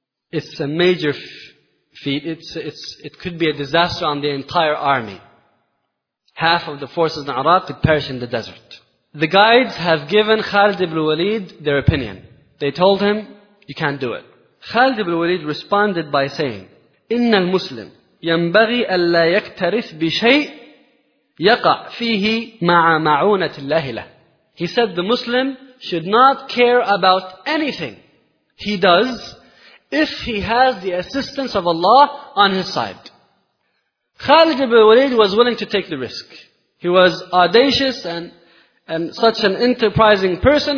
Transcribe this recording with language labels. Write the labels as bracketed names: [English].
[English] It's a major feat. It could be a disaster on the entire army. Half of the forces in Iraq could perish in the desert. The guides have given Khalid ibn Walid their opinion. They told him, you can't do it. Khalid ibn Walid responded by saying, [Arabic] إِنَّ الْمُسْلِمْ يَنْبَغِي أَلَّا يَكْتَرِثْ بِشَيْءٍ يَقَعْ فِيهِ مَعَ مَعُونَةِ اللَّهِ لَهِ. [English] He said the Muslim should not care about anything he does if he has the assistance of Allah on his side. Khalid ibn Walid was willing to take the risk. He was audacious and such an enterprising person.